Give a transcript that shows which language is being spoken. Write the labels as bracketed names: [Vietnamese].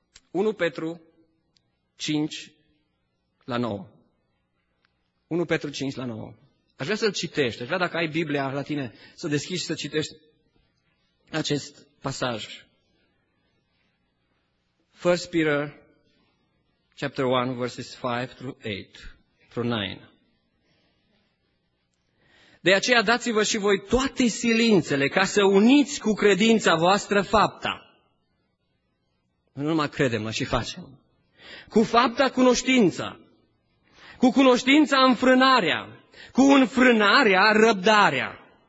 [Romanian] 1 Petru 5 la 9. 1 Petru 5 la 9. Aș vrea să-l citești. Aș vrea, dacă ai Biblia la tine, să deschizi și să citești acest pasaj. [English] 1 Peter chapter 1 verses 5 through 8 through 9. [Romanian] De aceea dați-vă și voi toate silințele ca să uniți cu credința voastră fapta. Nu numai credem, dar și facem. Cu fapta cunoștința. Cu cunoștința înfrânarea. Cu înfrânarea răbdarea.